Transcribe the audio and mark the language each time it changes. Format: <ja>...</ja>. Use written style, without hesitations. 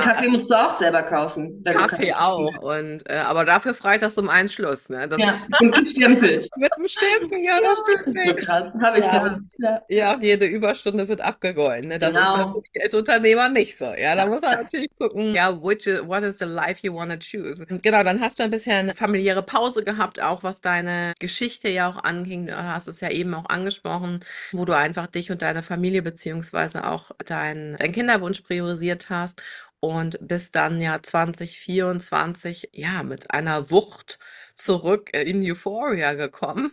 <de>Kaffee musst du auch selber kaufen, wenn du Kaffee Kaffee trinken auch. Und aber dafür freitags um eins Schluss, ne? Das Ja, und gestempelt. mit dem Stempel, ja, Ja, das stimmt das ist so nicht. krass. Habe ich Ja, gar nicht. Ja. jede Überstunde wird abgegolten, ne? Das ist Genau. natürlich als Unternehmer nicht so. Ja, da muss man natürlich gucken.</de> <en>Ja, what is the life you want to choose?</en> <de>Und genau, dann hast du ein bisschen eine familiäre Pause gehabt, auch was deine Geschichte ja auch anging. Du hast es ja eben auch angesprochen, wo du einfach dich und deine Familie beziehungsweise auch dein Kinderwunsch priorisiert hast. Und bis dann ja 2024, ja, mit einer Wucht zurück in Euphoria gekommen.</de>